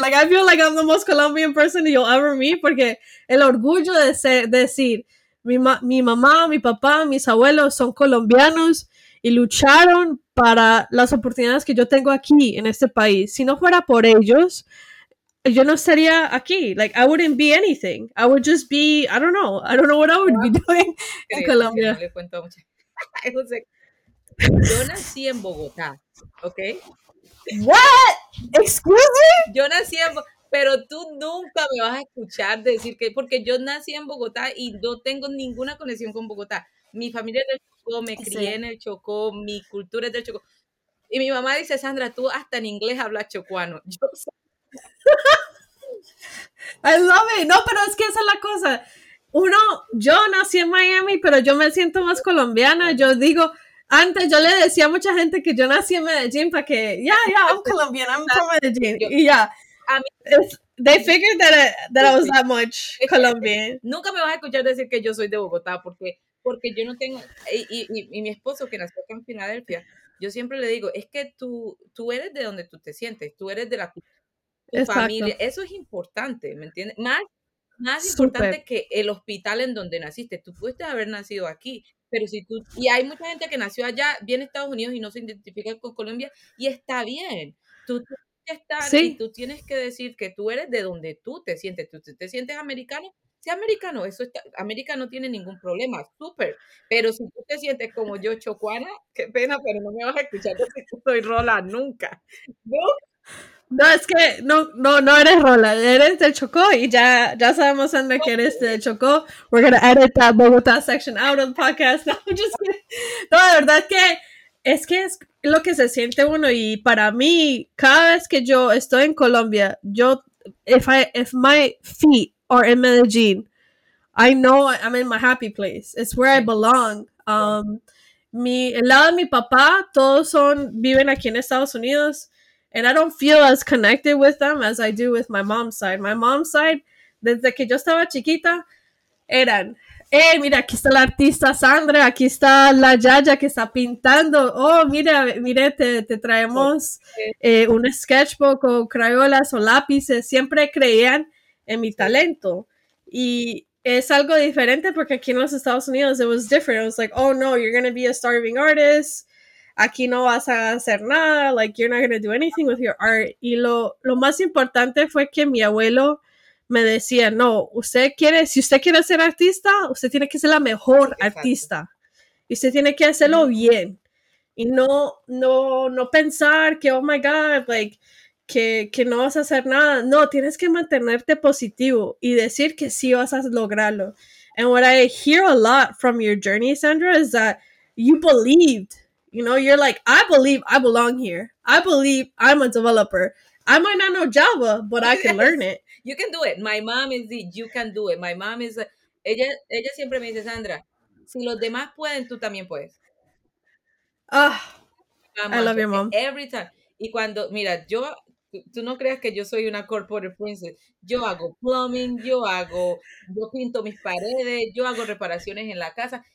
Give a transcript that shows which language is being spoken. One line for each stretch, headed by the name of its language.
English: Like, I feel like I'm the most Colombian person you'll ever meet,
Spanish: porque el orgullo de decir mi mamá, mi papá, mis abuelos son colombianos y lucharon para las oportunidades que yo tengo aquí en este país. Si no fuera por ellos, yo no estaría aquí.
English: Like, I wouldn't be anything. I would just be, I don't know what I would be doing in Colombia.
Spanish: No le cuento mucho. Yo nací en Bogotá, okay?
English: What? Excuse me?
Spanish: Yo nací en Bogotá, pero tú nunca me vas a escuchar decir que, porque yo nací en Bogotá y no tengo ninguna conexión con Bogotá. Mi familia es del Chocó, me crié en el Chocó, mi cultura es del Chocó. Y mi mamá dice, Sandra, tú hasta en inglés hablas chocuano.
English: I love it.
Spanish: No, pero es que esa es la cosa. Uno, yo nací en Miami, pero yo me siento más colombiana. Yo digo, antes yo le decía a mucha gente que yo nací en Medellín para que,
English: yeah, I'm Colombian, I'm from Medellín.
Spanish: Y ya,
English: they figured that I was that much Colombian.
Spanish: Nunca me vas a escuchar decir que yo soy de Bogotá, porque yo no tengo, y mi esposo que nació acá en Filadelfia, yo siempre le digo, es que tú eres de donde tú te sientes, tú eres de la cultura. Tu Exacto. familia, eso es importante, ¿me entiendes? Más importante Super. Que el hospital en donde naciste. Tú pudiste haber nacido aquí, Pero si tú, y hay mucha gente que nació allá, viene a Estados Unidos y no se identifica con Colombia, y está bien. Tú tienes que estar, sí. Y tú tienes que decir que tú eres de donde tú te sientes. Tú te sientes americano, sea americano, eso está, América no tiene ningún problema, súper. Pero si tú te sientes como yo, chocuana, qué pena, pero no me vas a escuchar, yo soy Rola, nunca. ¿No? No, es que no eres Rola, eres del Chocó, y ya sabemos, Sandra, que eres del Chocó.
English: We're going to edit that Bogotá section out of the podcast. No, just kidding.
Spanish: No, la verdad es que es lo que se siente uno, y para mí, cada vez que yo estoy en Colombia, yo,
English: if my feet are in Medellín, I know I'm in my happy place. It's where I belong.
Spanish: El lado de mi papá, viven aquí en Estados Unidos,
English: and I don't feel as connected with them as I do with my mom's side. My mom's side,
Spanish: desde que yo estaba chiquita, eran, mira, aquí está la artista Sandra, aquí está la Yaya que está pintando. Oh, mira, te traemos un sketchbook o crayolas o lápices. Siempre creían en mi talento. Y es algo diferente porque aquí en los Estados Unidos,
English: it was different. It was like, oh no, you're going to be a starving artist.
Spanish: Aquí no vas a hacer nada,
English: like, you're not going to do anything with your art.
Spanish: Y lo más importante fue que mi abuelo me decía, no, si usted quiere ser artista, usted tiene que ser la mejor artista. Y usted tiene que hacerlo bien. Y no pensar que,
English: oh my God, like,
Spanish: que no vas a hacer nada. No, tienes que mantenerte positivo y decir que sí vas a lograrlo.
English: And what I hear a lot from your journey, Sandra, is that you believed. You know, you're like, I believe I belong here. I believe I'm a developer. I might not know Java, but I can learn it. You can do it. My mom is the, you can do it. My mom is,
Spanish: ella siempre me dice, Sandra, si los demás pueden, tú también puedes.
English: Ah, mamá, I love your mom. Every time.
Spanish: Y cuando, mira, tú no creas que yo soy una
English: corporate princess.
Spanish: Yo hago plumbing, yo pinto mis paredes, yo hago reparaciones en la casa.